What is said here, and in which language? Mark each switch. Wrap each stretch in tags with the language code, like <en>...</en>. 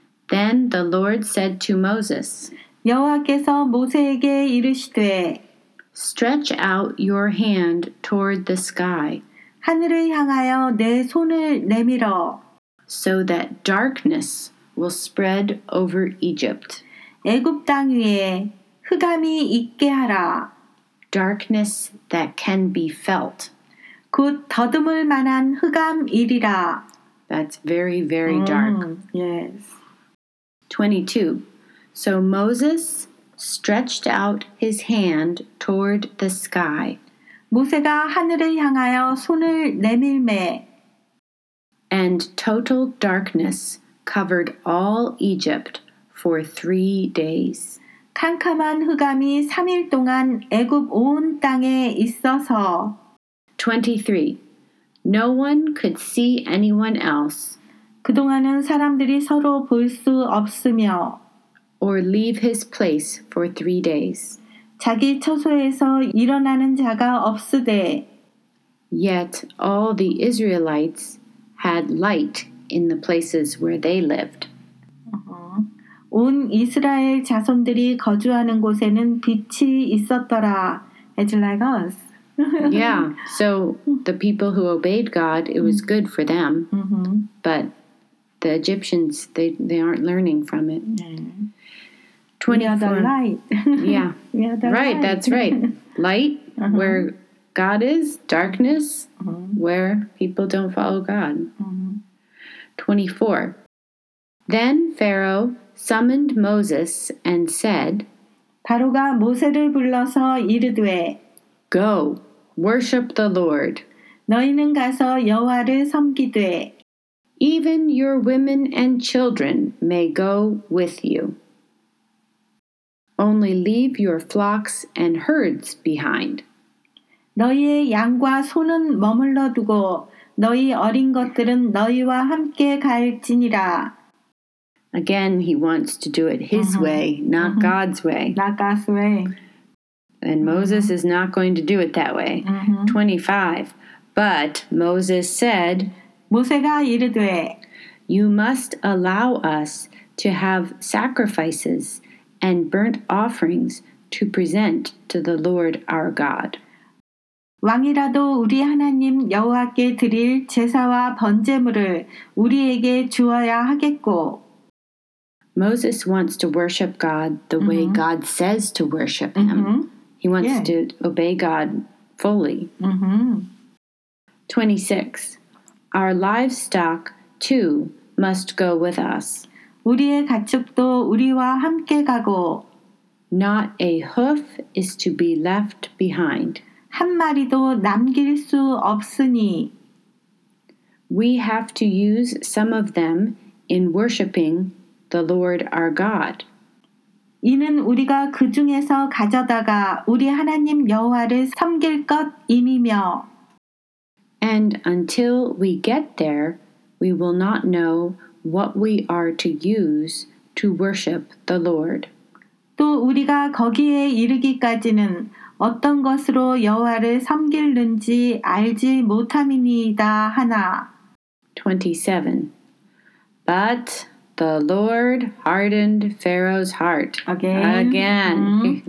<en>Then the Lord said to Moses,</en> <ko>여호와께서 모세에게 이르시되,</ko> <en>Stretch out your hand toward the sky,</en> <ko>하늘을 향하여 내 손을 내밀어,</ko> <en>so that darkness will spread over Egypt.</en> <ko>애굽 땅 위에 흑암이 있게 하라.</ko> <en>Darkness that can be felt.</en> <ko>곧 더듬을 만한 흑암이리라.</ko> <en>That's very, very dark. Yes. 22. So Moses stretched out his hand toward the sky.</en> <ko>모세가 하늘을 향하여 손을 내밀매.</ko> <en>And total darkness covered all Egypt for 3 days.</en> <ko>캄캄한 흑암이 3일 동안 애굽 온 땅에 있어서.</ko> <en>23. No one could see anyone else.</en> <ko>그동안은 사람들이 서로 볼 수 없으며.</ko> <en>Or leave his place for 3 days.</en> <ko>자기 처소에서 일어나는 자가 없으되.</ko> <en>Yet all the Israelites had light in the places where they lived.</en> <ko>온 이스라엘 자손들이 거주하는 곳에는 빛이 있었더라.</ko> <en>It's like us. yeah, so the people who obeyed God, it was good for them. Mm-hmm. But the Egyptians, they aren't learning from it. Mm-hmm. 24. We are the light. yeah. We are the right, light. That's right. Light, uh-huh. where God is. Darkness, uh-huh. where people don't follow God. Uh-huh. 24. Then Pharaoh summoned Moses and said,</en> <ko>바로가 모세를 불러서 이르되,</ko> <en>Go, worship the Lord.</en> <ko>너희는 가서 여호와를 섬기되.</ko> <en>Even your women and children may go with you. Only leave your flocks and herds behind.</en> <ko>너희의 양과 소는 머물러 두고 너희 어린 것들은 너희와 함께 갈지니라.</ko> <en>Again, he wants to do it his uh-huh. way, not uh-huh. God's way. Not God's way. And Moses is not going to do it that way. Mm-hmm. 25. But Moses said,</en> <ko>모세가 이르되,</ko> <en>You must allow us to have sacrifices and burnt offerings to present to the Lord our God.</en> <ko>왕이라도 우리 하나님 여호와께 드릴 제사와 번제물을 우리에게 주어야 하겠고.</ko> <en>Moses wants to worship God the way mm-hmm. God says to worship him. Mm-hmm. He wants yeah. to obey God fully. Mm-hmm. 26. Our livestock, too, must go with us.</en> <ko>우리의 가축도 우리와 함께 가고.</ko> <en>Not a hoof is to be left behind.</en> <ko>한 마리도 남길 수 없으니.</ko> <en>We have to use some of them in worshiping the Lord our God.</en> <ko>이는 우리가 그 중에서 가져다가 우리 하나님 여호와를 섬길 것임이며.</ko> <en>And until we get there, we will not know what we are to use to worship the Lord.</en> <ko>또 우리가 거기에 이르기까지는 어떤 것으로 여호와를 섬길는지 알지 못함이니이다 하나.</ko> <en>27. But the Lord hardened Pharaoh's heart. Again.</en>